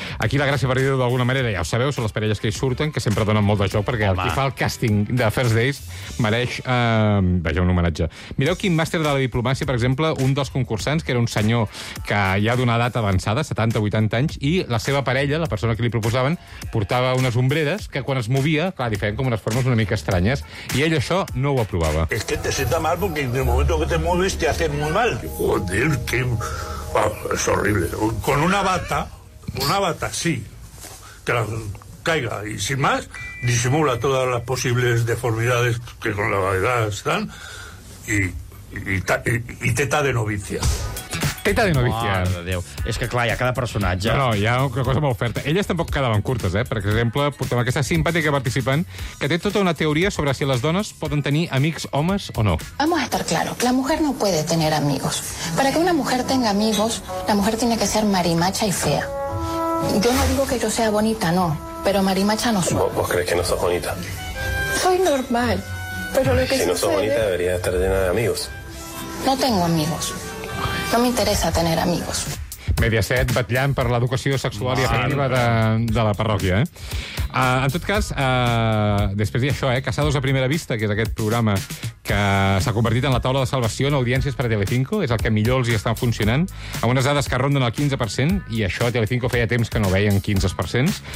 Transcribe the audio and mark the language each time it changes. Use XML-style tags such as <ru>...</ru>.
<ca>Aquí la gràcia per dir-ho d'alguna manera, ja ho sabeu, són les parelles que hi surten, que sempre donen molt de joc, perquè el qui fa el càsting de First Days mereix, vaja, un homenatge. Mireu quin màster de la diplomàcia, per exemple, un dels concursants, que era un senyor que ja d'una edat avançada, 70-80 anys, i la seva parella, la persona que li proposaven, portava unes ombreres que quan es movia, clar, li feien com unes formes una mica estranyes, i ell això no ho aprovava.</ca> <es>Es que te sienta mal, porque en el momento que te mueves te hace muy mal. Joder, que... Oh, es horrible. Con una bata, sí, que la caiga, y sin más, disimula todas las posibles deformidades que con la edad están, y teta de novicia. Teta de novicia.</es> <ca>És que, clar, hi ha cada personatge. No, hi ha una cosa molt oferta. Elles tampoc quedaven curtes, eh? Per exemple, portem aquesta simpàtica participant que té tota una teoria sobre si les dones poden tenir amics homes o no.</ca> <es>Vamos a estar claro. La mujer no puede tener amigos. Para que una mujer tenga amigos, la mujer tiene que ser marimacha y fea. Yo no digo que yo sea bonita, no. Pero marimacha no soy. ¿Vos crees que no sos bonita? Soy normal. Pero lo que si no sos bonita, debería estar llena de amigos. No tengo amigos. No me interesa tener amigos.</es> <ca>Mediaset batllant per l'educació sexual i afectiva de la parròquia, eh? En tot cas, després hi ha això, Casados a Primera Vista, que és aquest programa que s'ha convertit en la taula de salvació en audiències per a Telecinco, és el que millor els hi està funcionant, amb unes dades que ronden el 15%, i això a Telecinco feia temps que no veien 15%.</ca>